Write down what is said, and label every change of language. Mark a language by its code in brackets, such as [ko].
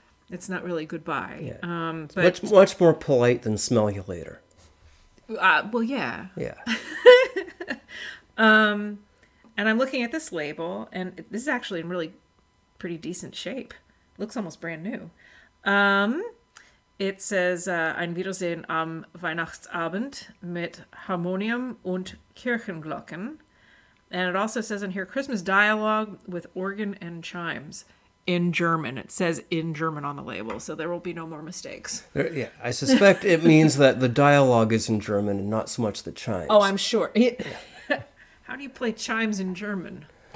[en] It's not really goodbye. Yeah. But much more polite than smell you later. Well, yeah. Yeah. And I'm looking at this label, and this is actually in really pretty decent shape. Looks almost brand new. It says, [de] Ein Wiedersehen am Weihnachtsabend mit Harmonium und Kirchenglocken. [en] And it also says in here, Christmas dialogue with organ and chimes. In German. It says in German on the label, so there will be no more mistakes. Yeah, I suspect it means that the dialogue is in German and not so much the chimes. Oh, I'm sure. How do you play chimes in German?